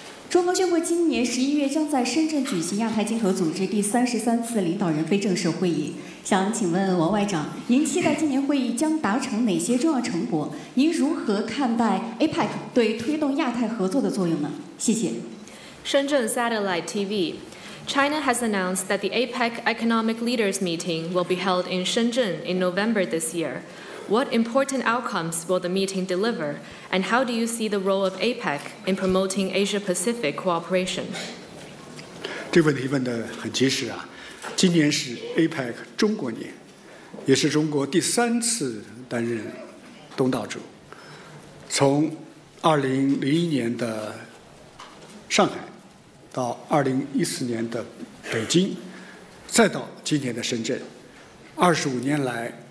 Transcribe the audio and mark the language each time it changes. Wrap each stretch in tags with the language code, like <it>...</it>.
<zh>中国宣布今年11月将在深圳举行亚太经合组织第33次领导人非正式会议，想请问王外长，您期待今年会议将达成哪些重要成果？您如何看待 APEC 对推动亚太合作的作用呢？谢谢。</zh> <en>Shenzhen Satellite TV. China has announced that the APEC Economic Leaders Meeting will be held in Shenzhen in November this year. What important outcomes will the meeting deliver, and how do you see the role of APEC in promoting Asia-Pacific cooperation?</en> <zh>这个问题问得很及时啊！今年是 APEC 中国年，也是中国第3次担任东道主。从2001年的上海，到2014年的北京，再到今年的深圳，25年来。</zh>